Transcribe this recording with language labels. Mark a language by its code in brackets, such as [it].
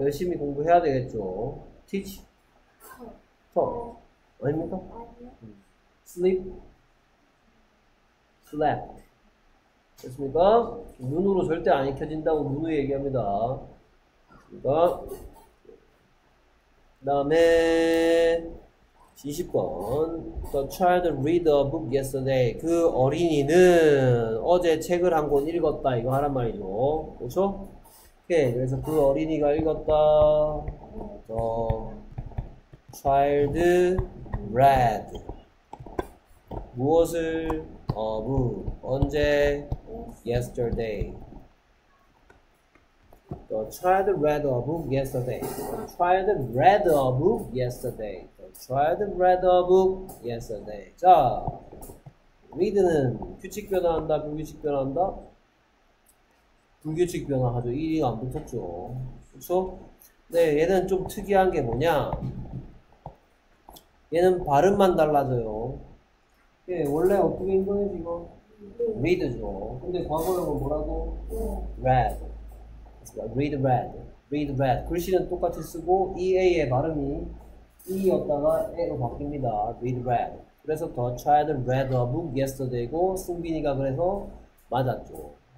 [ko] 열심히 공부해야 되겠죠. [en] Teach taught. [ko] 아닙니까? 아니요. [en] Sleep, slept. [ko] 됐습니까? 눈으로 절대 안 익혀진다고 눈으로 얘기합니다. 됐습니까? 그 다음에 20번 [en] The child read a book yesterday. [ko] 그 어린이는 어제 책을 한 권 읽었다. 이거 하란 말이죠. 그렇죠? 오케이. 그래서 그 어린이가 읽었다. [en] The child read [ko] 무엇을? [en] A book. [ko] 언제? [en] Yesterday. The child read a book yesterday. The child read a book yesterday. The child read a book yesterday. [ko] 자, read는 규칙 변화한다, 불규칙 변화한다? 불규칙 변화하죠. 1이 안 붙었죠. 그쵸? 네, 얘는 좀 특이한 게 뭐냐? 얘는 발음만 달라져요. 예, 원래 어떻게 읽는 거예요, 이거? [en] read죠. [ko] 근데 과거형은 뭐라고? [en] read. read read. read read. [ko] 글씨는 똑같이 쓰고 ea의 발음이 e였다가 a로 바뀝니다. [en] read read. [ko] 그래서 [en] the child read a book yesterday고 [ko] 승빈이가 그래서 맞았죠.